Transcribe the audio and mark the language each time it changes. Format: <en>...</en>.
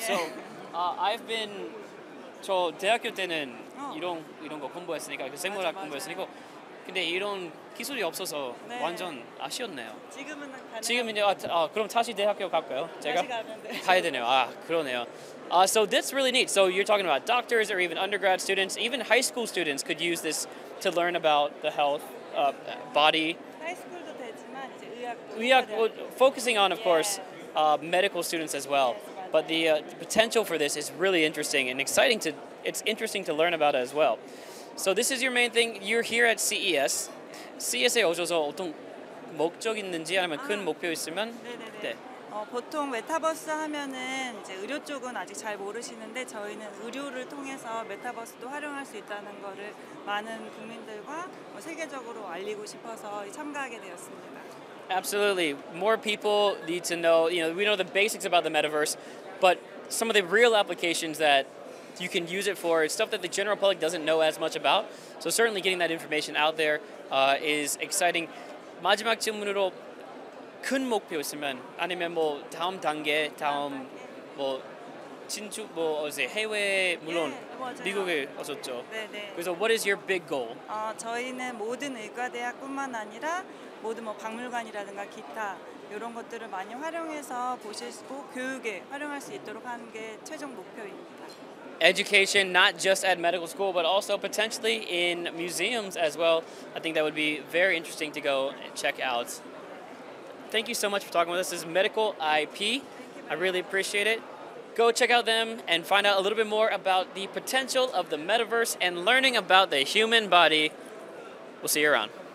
<en>So, I've been</en> <ko>저 대학교 때는 이런 거 공부했으니까 그 생물학 맞아. 공부했으니까 근데 이런 기술이 없어서 네. 완전 아쉬웠네요. 지금은 가능. 지금 이제 아 그럼 다시 대학교 갈까요? 제가 다시 가야 되네요. 아 그러네요.</ko> <en>So that's really neat. So you're talking about doctors or even undergrad students, even high school students could use this to learn about the health, body.</en> <ko>High school도 되지만 이제 의학도.</ko> <en>의학, well, focusing on, of yeah. course, medical students as well. Yes, but the potential for this is really interesting and exciting to, it's interesting to learn about it as well. So this is your main thing. You're here at CES.</en> <ko>CES에 오셔서 어떤 목적 있는지 아니면 큰 목표 있으면? 네네네. 네. 보통 메타버스 하면은 이제 의료 쪽은 아직 잘 모르시는데 저희는 의료를 통해서 메타버스도 활용할 수 있다는 거를 많은 국민들과 뭐 세계적으로 알리고 싶어서 참가하게 되었습니다.</ko> <en>Absolutely. More people need to know, you know, we know the basics about the metaverse, but some of the real applications that you can use it for, stuff that the general public doesn't know as much about. So certainly getting that information out there is exciting.</en> <ko>마지막 질문으로 큰 목표 있으면 아니면 뭐 다음 단계 다음 뭐 진출 뭐 어제 해외 물론 예, 미국에 오셨죠. 네네.</ko> <en>그래서 what is your big goal?</en> <ko>저희는 모든 의과대학뿐만 아니라 모든 뭐 박물관이라든가 기타 이런 것들을 많이 활용해서 보실 수 있고 교육에 활용할 수 있도록 하는 게 최종 목표입니다.</ko> <en>Education not just at medical school but also potentially in museums as well. I think that would be very interesting to go check out. Thank you so much for talking with us. This is Medical IP. I really appreciate it. Go check out them and find out a little bit more about the potential of the metaverse and learning about the human body. We'll see you around.</en>